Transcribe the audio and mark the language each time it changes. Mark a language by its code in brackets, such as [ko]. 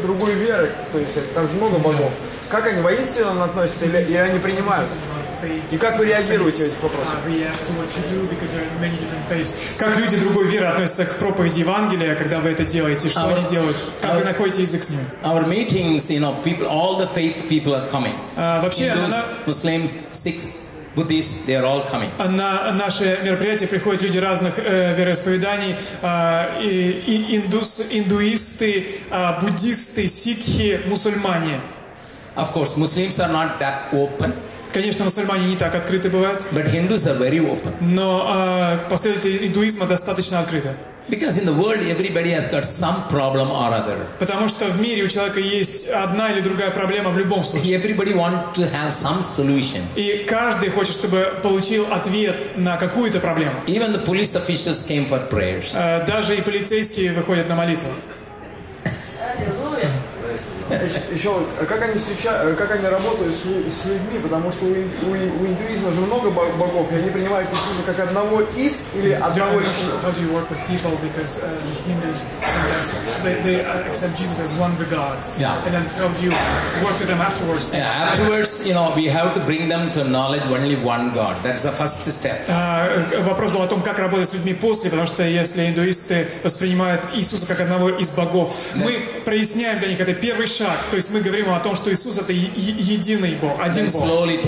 [ru] Другой веры, то есть там же много богов. Да. Как они воинственно относятся или они принимают? И как вы реагируете на эти вопросы? Как люди другой веры относятся к проповеди Евангелия, когда вы это делаете? Что они делают? Как вы находите язык с ними? [en] Our meetings, you know, people, all the faith people are coming. [ru] Вообще, [en] Muslim, Sikh, Buddhist, they are all coming. [ru] На наши мероприятия приходят люди разных вероисповеданий, индуисты, буддисты, сикхи, мусульмане. [en] Of course, Muslims are not that open. [ru] Конечно, мусульмане не так открыты бывают. [en] But Hindus are very open. [ru] Но последователи индуизма достаточно открыты. [en] Because in the world everybody has got some problem or other. [ru] Потому что в мире у человека есть одна или другая проблема в любом случае. [en] Everybody want to have some solution. [ru] И каждый хочет, чтобы получил ответ на какую-то проблему. [en] Even the police officials came for prayers. [ru] Даже и полицейские выходят на молитву. Еще, как они работают с людьми, потому что у индуизма же много богов, и они принимают Иисуса как одного из или одного из. [en] How do you work with people? Because Hindus sometimes they accept Jesus as one of the gods. Yeah. And then how do you work with them afterwards? Yeah, afterwards, you know, we have to bring them to knowledge only one God. That's the first step. [ru] Вопрос был о том, как работать с людьми после, потому что если индуисты воспринимают Иисуса как одного из богов, мы проясняем для них это первый шаг. То есть мы говорим о том, что Иисус это единый Бог, один Бог.